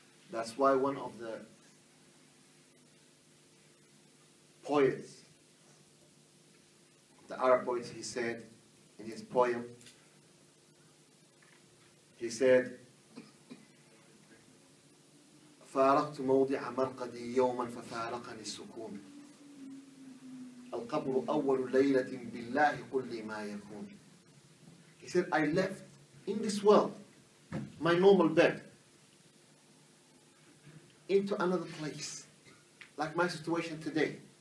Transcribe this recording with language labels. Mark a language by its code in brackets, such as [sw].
[en] That's why one of the poets, the Arab poets, he said in his poem, he said, [ar] فَارَقْتُ مَوْضِعَ مَرْقَدِي يَوْمًا فَفَارَقَنِي السُّكُونَ القبر أول ليلة بالله قل لي ما يكون. [en] He said, I left in this world my normal bed into another place, like my situation today.